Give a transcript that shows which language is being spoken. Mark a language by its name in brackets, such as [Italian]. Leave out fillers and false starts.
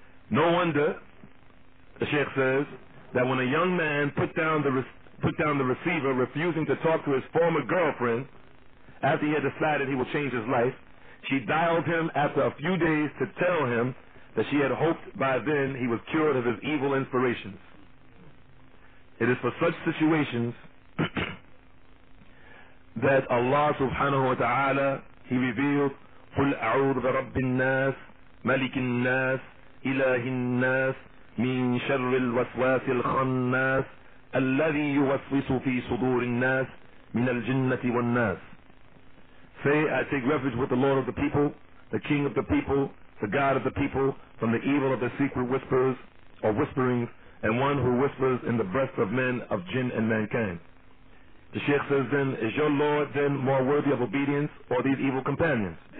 [English] No wonder, the Sheikh says, that when a young man put down the receiver, refusing to talk to his former girlfriend after he had decided he would change his life, she dialed him after a few days to tell him that she had hoped by then he was cured of his evil inspirations. It is for such situations that Allah subhanahu wa ta'ala, he revealed, [Arabic] قُلْ أَعُوذُ بِرَبِّ النَّاسِ مَلِكِ النَّاسِ إِلَهِ النَّاسِ مِنْ شَرِّ الْوَسْوَاسِ الْخَنَّاسِ الَّذِي يُوَسْوِسُ فِي صُدُورِ النَّاسِ مِنَ الْجِنَّةِ وَالنَّاسِ. [English] Say, I take refuge with the Lord of the people, the King of the people, the God of the people, from the evil of the secret whispers or whisperings and one who whispers in the breast of men, of jinn and mankind. The Shaykh says then, is your Lord then more worthy of obedience or these evil companions?